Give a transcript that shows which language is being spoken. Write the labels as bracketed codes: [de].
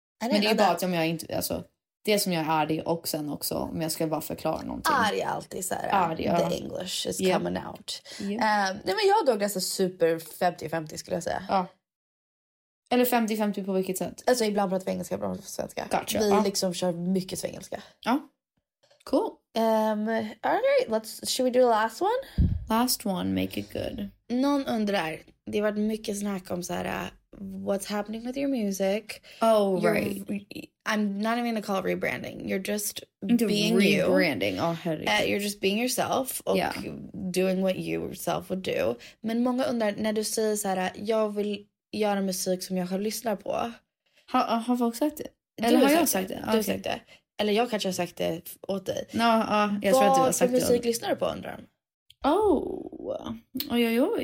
[sv] Men det är bara att om jag inte, alltså det som jag är arg och sen också om jag ska bara förklara någonting. Arg alltid så här. [en] The English is coming out. [sv] Nej, men jag dog nästan super 50-50 skulle jag säga. Ja. Eller 50-50 på vilket sätt? Alltså ibland pratar vi engelska, ibland pratar vi svenska. [en] Gotcha. [sv] Vi liksom kör mycket svengelska. Ja. Cool. [en] Alright, let's, should we do the last one? Last one, make it good. [sv] Någon undrar, det har varit mycket snack om så här, [en] what's happening with your music? Oh, right. I'm not even gonna call it rebranding. You're just being you. Rebranding, oh, you're just being yourself [sv] och [en] doing what you yourself would do. [sv] Men många undrar, när du säger så här, jag vill göra musik som jag själv lyssnar på. Har folk sagt det? Eller har jag sagt det? Du har sagt det. Eller jag kanske har sagt det åt dig. Ja, jag tror att du har sagt det. Vad för musik lyssnar du på, undrar han? Oh. Oj, oj, oj.